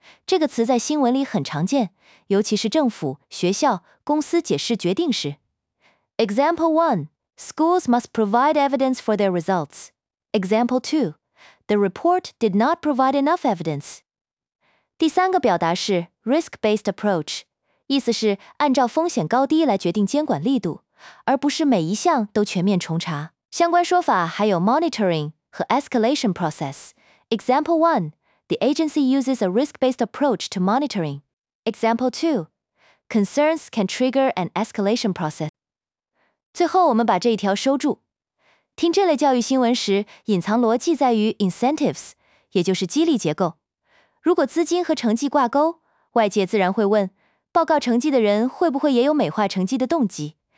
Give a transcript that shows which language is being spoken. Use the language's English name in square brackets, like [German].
[Chinese] 这个词在新闻里很常见，尤其是政府、学校、公司解释决定时。 [English] Example 1, schools must provide evidence for their results. Example 2, the report did not provide enough evidence. [Chinese] 第三个表达是 risk-based approach， 意思是按照风险高低来决定监管力度，而不是每一项都全面重查。相关说法还有 monitoring 和 escalation process。 [English] Example 1, the agency uses a risk-based approach to monitoring. Example 2, concerns can trigger an escalation process. [Chinese] 最后我们把这一条收住。听这类教育新闻时，隐藏逻辑在于 incentives， 也就是激励结构。如果资金和成绩挂钩，外界自然会问，报告成绩的人会不会也有美化成绩的动机？